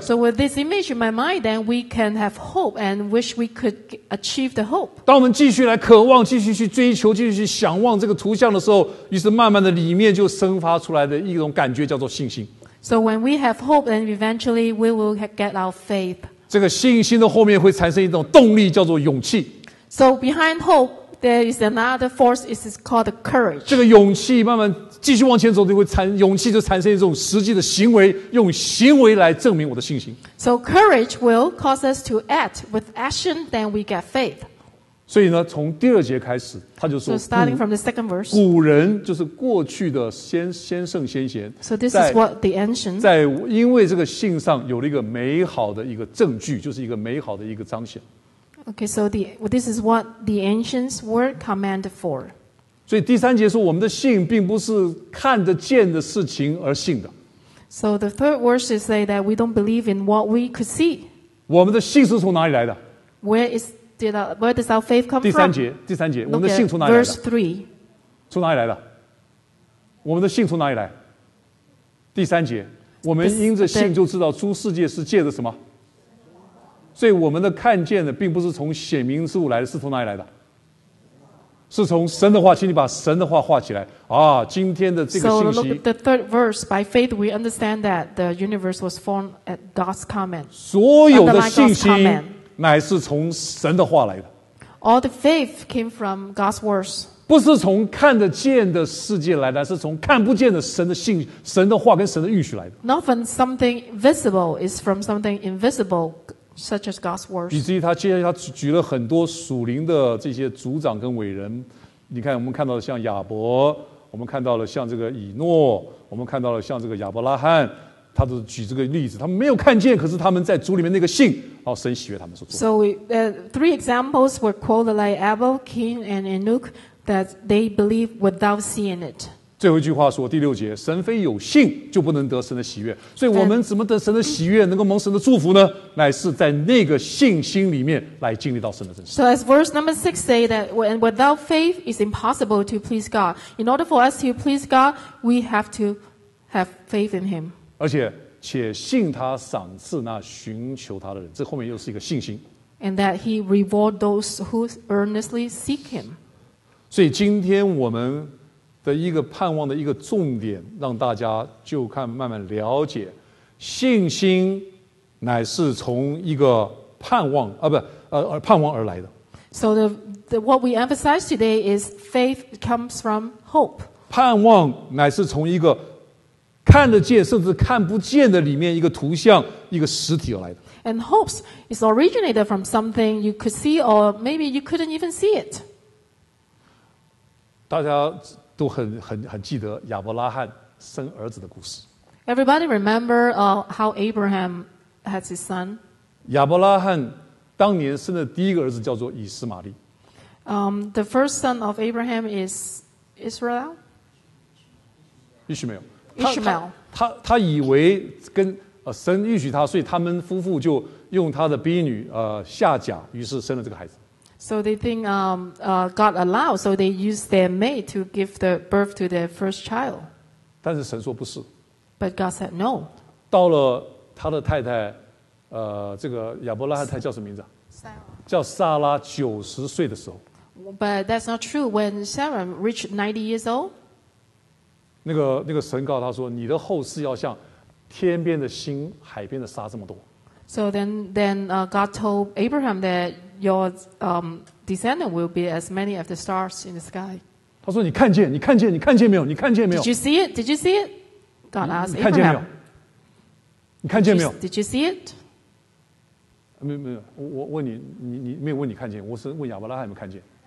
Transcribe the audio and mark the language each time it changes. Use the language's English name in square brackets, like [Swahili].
[English] So with this image in my mind, then we can have hope and wish we could achieve the hope. [Chinese] 当我们继续来渴望、继续去追求、继续去想望这个图像的时候，于是慢慢的里面就生发出来的一种感觉叫做信心。 [English] So when we have hope, then eventually we will get our faith. [Chinese] 这个信心的后面会产生一种动力，叫做勇气。 [English] So behind hope, There is another force. It is called courage. [Chinese] 这个勇气慢慢继续往前走，就会产勇气，就产生一种实际的行为，用行为来证明我的信心。 [English] So courage will cause us to act with action, then we get faith. [Chinese] 所以呢，从第二节开始，他就说 [English] ，So starting from the second verse, [Chinese] 古人就是过去的先圣先贤。 [English] So this is what the ancient [Chinese] 在因为这个信上有了一个美好的一个证据，就是一个美好的一个彰显。 [English] Okay, so this is what the ancients were commanded for. [Chinese] 所以第三节说我们的信并不是看得见的事情而信的。 [English] So the third verse is say that we don't believe in what we could see. [Chinese] 我们的信是从哪里来的？ [English] Where does our faith come from? [Chinese] 第三节，我们的信从哪里来的？ [English] Verse 3. [Chinese] 从哪里来的？我们的信从哪里来？第三节，我们因着信就知道诸世界是借着什么？所以我们的看见的并不是从显明之物来的，是从哪里来的？是从神的话，请你把神的话画起来啊！今天的这个信息。 [English] So look at the third verse. By faith, we understand that the universe was formed at God's command. [Chinese] 所有的信息乃是从神的话来的。 [English] All the faith came from God's words. [Chinese] 不是从看得见的世界来的，是从看不见的神的信、神的话跟神的应许来的。 [English] Not from something visible, is from something invisible. Such as God's words. [Chinese] 以至于他接下来他举了很多属灵的这些族长跟伟人，你看我们看到了像亚伯，我们看到了像这个以诺，我们看到了像这个亚伯拉罕，他都举这个例子，他们没有看见，可是他们在主里面那个信，然后神喜悦他们所做。 [English] So three examples were quoted like Abel, Cain, and Enoch that they believed without seeing it. [Chinese] 最后一句话说第六节，神非有信就不能得神的喜悦。所以我们怎么得神的喜悦，能够蒙神的祝福呢？乃是在那个信心里面来经历到神的真实。 [English] So as verse number 6 say that without faith is impossible to please God. In order for us to please God, we have to have faith in him. [Chinese] 而且信他赏赐那寻求他的人，这后面又是一个信心。 [English] And that he reward those who earnestly seek him. [Chinese] 所以今天我们的一个盼望的一个重点，让大家就看慢慢了解，信心乃是从一个盼望啊不盼望而来的。 [English] So the what we emphasize today is faith comes from hope. [Chinese] 盼望乃是从一个看得见甚至看不见的里面一个图像一个实体而来的。 [English] And hopes is originated from something you could see or maybe you couldn't even see it. [Chinese] 大家。都很记得亚伯拉罕生儿子的故事。 [English] Everybody remember how Abraham had his son. [Chinese] 亚伯拉罕当年生的第一个儿子叫做以斯玛利。 [English] The first son of Abraham is Israel. Ishmael. Ishmael. [Chinese] 他以为跟神应许他，所以他们夫妇就用他的婢女夏甲，于是生了这个孩子。 [English] So they think God allowed, so they use their maid to give the birth to their first child. [Chinese] 但是神说不是。 [English] But God said no. [Chinese] 到了他的太太，这个亚伯拉罕太太叫什么名字？ [English] Sarah. [Chinese] 叫萨拉90岁的时候。 [English] But that's not true. When Sarah reached 90 years old, [Chinese] 那个神告诉他说，你的后世要像天边的星、海边的沙这么多。 [English] So then God told Abraham that your descendant will be as many as the stars in the sky. [Chinese] 他说你看见没有你看见没有 [English] Did you see it? Did you see it? God asked Abraham. [Chinese] 你看见没有 [English] Did you see it? [Chinese] 没有我问你 你没有问你看见，我是问亚伯拉罕有没有看见。